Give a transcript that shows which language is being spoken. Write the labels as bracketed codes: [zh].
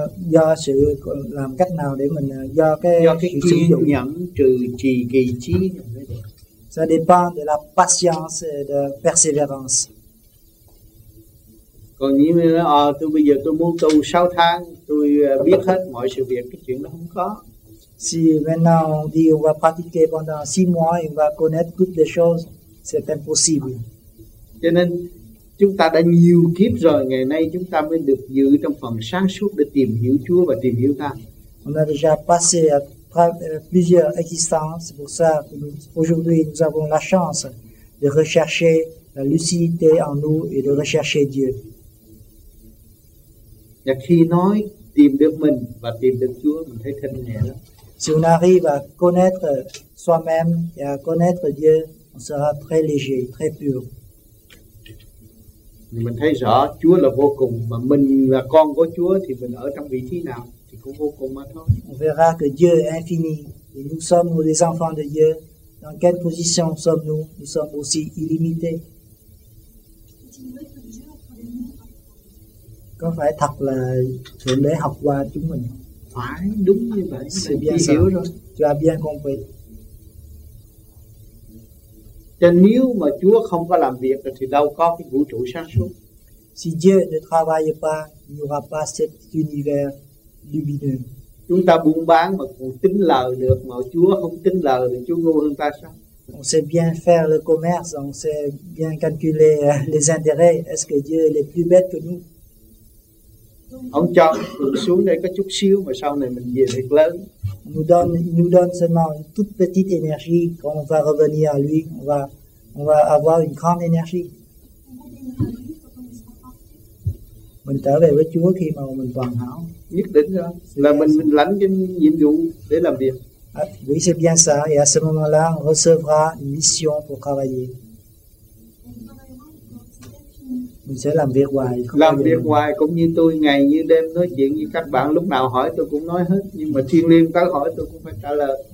[vi] Do sự làm cách nào để mình do cái sử dụng nhẫn trừ trì kỳ trí. [fr] Ça dépend de la patience et de persévérance. [vi] Còn như là tôi bây giờ tôi muốn tu 6 tháng tôi biết hết mọi sự việc, cái chuyện đó không có. [fr] Si maintenant on dit on va pratiquer pendant 6 mois et on va connaître toutes les choses, c'est impossible. [vi] Cho nên chúng ta đã nhiều kiếp rồi, ngày nay chúng ta mới được giữ trong phần sáng suốt để tìm hiểu Chúa và tìm hiểu ta. [fr] On a déjà passé à plusieurs existences, c'est pour ça que nous, aujourd'hui nous avons la chance de rechercher la lucidité en nous et de rechercher Dieu. [vi] Và khi nói tìm được mình và tìm được Chúa, mình thấy thân nhẹ lắm. [fr] Si on arrive à connaître soi-même et à connaître Dieu, on sera très léger, très pur. [vi] Mình thấy rõ Chúa là vô cùng, mà mình là con của Chúa thì mình ở trong vị trí nào thì cũng vô cùng mà thôi. [fr] On verra que Dieu est infini et nous sommes les enfants de Dieu. Dans quelle position sommes-nous? Nous sommes aussi illimités. [vi] Có phải thật là Thượng Đế học qua chúng mình? Phải, đúng như vậy. [fr] C'est bien ça. Tu as bien compris. [vi] Cho nếu mà Chúa không có làm việc thì đâu có cái vũ trụ sáng suốt. [fr] Si Dieu ne travaille pas, il n'y aura pas cet univers lumineux. [vi] Chúng ta buôn bán mà còn tính lời được, mà Chúa không tính lời thì Chúa ngu hơn ta sao? [fr] On sait bien faire le commerce, on sait bien calculer les intérêts. Est-ce que Dieu est plus bête que nous? [vi] Ông cho mình xuống đây có chút xíu mà sau này mình về việc lớn. [fr] Nous donne seulement une toute petite énergie. Quand on va revenir à lui, on va avoir une grande énergie. [vi] Mình trở về với Chúa khi mà mình hoàn hảo. Nhất định rồi. Là mình lãnh cái nhiệm vụ để làm việc. [fr] Oui, c'est bien ça. Et à ce moment-là, on recevra une mission pour travailler. [vi] Mình sẽ làm việc hoài. Làm việc hoài cũng như tôi ngày như đêm nói chuyện với các bạn, lúc nào hỏi tôi cũng nói hết, nhưng mà thiên liên tới hỏi tôi cũng phải trả lời.